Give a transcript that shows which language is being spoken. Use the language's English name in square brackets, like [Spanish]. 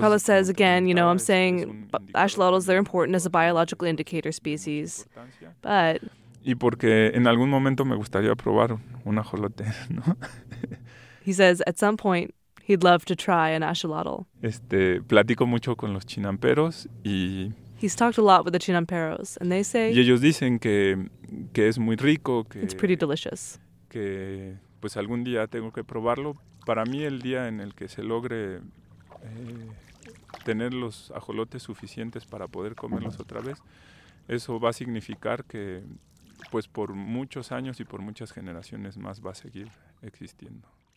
[English] Carlos says again, you know, I'm saying axolotls, they're important as a biological indicator species, but. [Spanish] Y porque en algún momento me gustaría probar un ajolote, ¿no? [English] He says at some point he'd love to try an axolotl. [Spanish] Platico mucho con los chinamperos y. [English] He's talked a lot with the chinamperos, and they say. [Spanish] Y ellos dicen que es muy rico. Que, [English] it's pretty delicious. [Spanish] Que pues algún día tengo que probarlo. Para mí el día en el que se logre tener los ajolotes suficientes para poder comerlos otra vez, eso va a significar que pues por muchos años y por muchas generaciones más va a seguir existiendo.